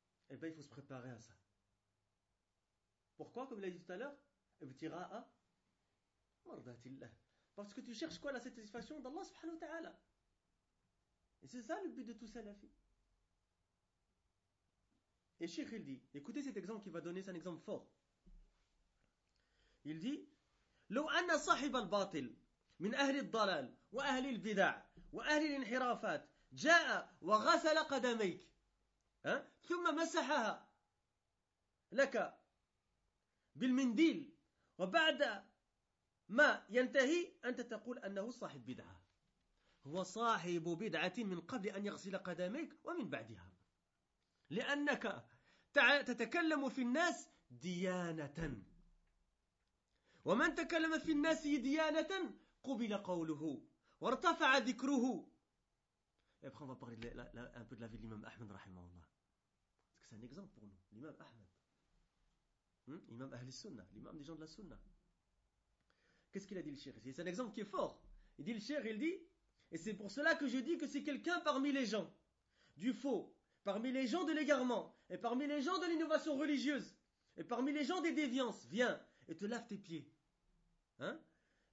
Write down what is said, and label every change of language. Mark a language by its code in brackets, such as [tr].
[fr] Eh bien, il faut se préparer à ça. Pourquoi? Comme il a dit tout à l'heure, ibtira'a mardatillah. Parce que tu cherches quoi? La satisfaction d'Allah subhanahu wa ta'ala. Et c'est ça le but de tout salafi. Et Cheikh il dit, écoutez cet exemple qu'il va donner, c'est un exemple fort. Il dit, [ar] لو أن صاحب الباطل من أهل الضلال وأهل البدع وأهل الانحرافات جاء وغسل قدميك ثم مسحها لك بالمنديل وبعد ما ينتهي أنت تقول أنه صاحب بدعة هو صاحب بدعة من قبل أن يغسل قدميك ومن بعدها لأنك تتكلم في الناس ديانة ومن تكلم في الناس ديانة قبل قوله وارتفع ذكره. [fr] Et après, on va parler un peu de la vie de l'imam Ahmed, rahimahullah. Parce que c'est un exemple pour nous, l'imam Ahmed. Imam Ahl-Sunnah, l'imam des gens de la Sunnah. Qu'est-ce qu'il a dit le Cheikh ? C'est un exemple qui est fort. Il dit le Cheikh, il dit, et c'est pour cela que je dis que si quelqu'un parmi les gens du faux, parmi les gens de l'égarement, et parmi les gens de l'innovation religieuse, et parmi les gens des déviances, viens et te lave tes pieds. Hein ?